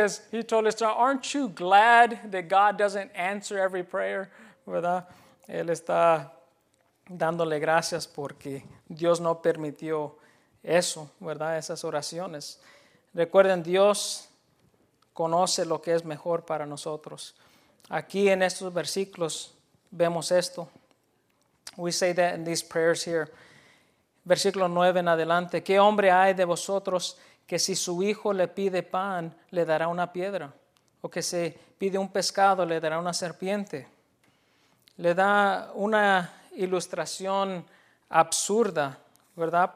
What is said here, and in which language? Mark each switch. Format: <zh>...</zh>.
<en>he told his child, aren't you glad that God doesn't answer every prayer?</en> <es>¿Verdad? Él está dándole gracias porque Dios no permitió eso, ¿verdad? Esas oraciones. Recuerden, Dios conoce lo que es mejor para nosotros. Aquí en estos versículos vemos esto.</es> <en>We say that in these prayers here.</en> <es>Versículo 9 en adelante. ¿Qué hombre hay de vosotros que si su hijo le pide pan, le dará una piedra? ¿O que si pide un pescado, le dará una serpiente? Le da una ilustración absurda, ¿verdad?</es>